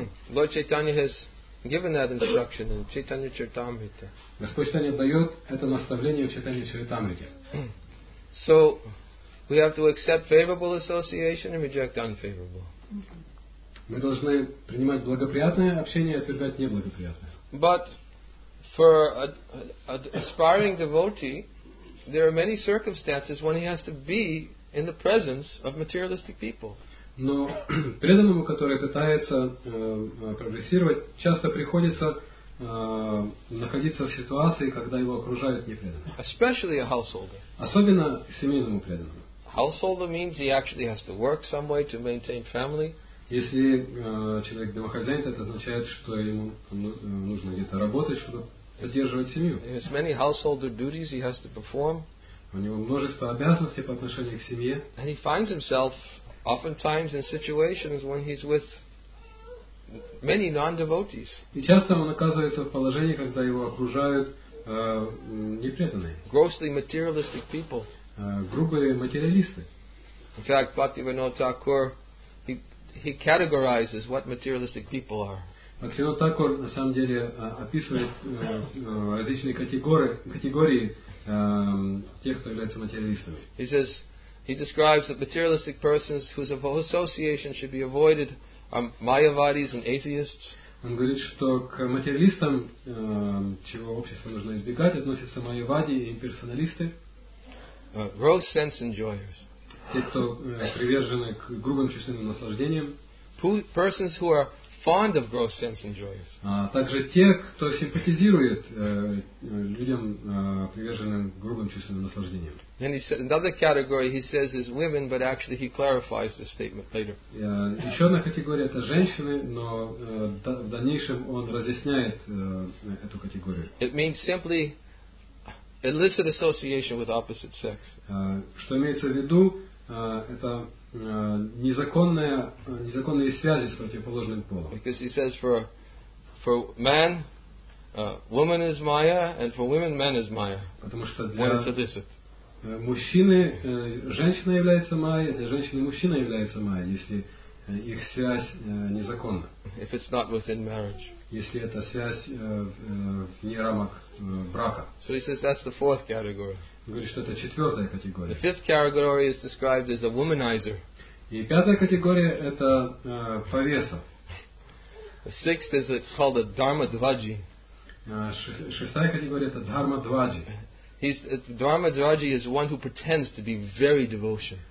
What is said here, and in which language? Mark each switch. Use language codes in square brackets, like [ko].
[en] Lord Chaitanya has given that instruction in Chaitanya Charitamrita. [ru] Господь Чайтанья дает это наставление в Чайтанья Чаритамрите. [en] So, we have to accept favorable association and reject unfavorable. [ru] Мы должны принимать благоприятное общение и отвергать неблагоприятное. [en] But for an aspiring devotee, there are many circumstances when he has to be in the presence of materialistic people. [ru] Но преданному, который пытается прогрессировать, часто приходится находиться в ситуации, когда его окружают непреданные. [en] Especially a householder. [ru] Особенно семейному преданному. [en] Householder means he actually has to work some way to maintain family. [ru] Если человек домохозяин, это означает, что ему нужно где-то работать, чтобы поддерживать семью. [en] He has many householder duties he has to perform. [ru] У него множество обязанностей по отношению к семье. [en] And he finds himself oftentimes in situations when he's with many non-devotees. [ru] И часто он оказывается в положении, когда его окружают непреданные. [en] Grossly materialistic people. [ru] Грубые материалисты. [en] In fact, Bhaktivinoda Thakur, he categorizes what materialistic people are. [ru] Бхактивинода Такур на самом деле описывает различные категории тех, кто является материалистами. [en] He says, he describes that materialistic persons whose association should be avoided are mayavadis and atheists. [ru] Он говорит, что к материалистам, чего общество нужно избегать, относятся майявади и имперсоналисты. [en] Gross sense enjoyers. [ru] Те, кто привержены к грубым чувственным наслаждениям. [en] Persons who are fond of gross sense enjoyers. [ru] Также те, кто симпатизирует людям, приверженным грубым чувственным наслаждениям. [en] And he said, another category he says is women, but actually he clarifies the statement later. [ru] Еще одна категория это женщины, но в дальнейшем он разъясняет эту категорию. [en] It means simply illicit association with opposite sex. [ru] Что имеется в виду, это незаконные связи с противоположным полом. [en] Because he says for man, woman is maya, and for women, man is maya. [ru] Потому что для мужчины женщина является майя, для женщины мужчина является майя, если их связь незаконна. [en] If it's not within marriage. [ru] Если это связь вне рамок брака. [en] So he says that's the fourth category. [ru] Говорит, что это четвертая категория. [en] The fifth category is described as a womanizer. [ru] И пятая категория это повеса. [en] The sixth is called a dharma dvaji. [ru] Шестая категория — это Дхарма Дваджи. [en] Dharma Dvaji is one who pretends to be very devotion.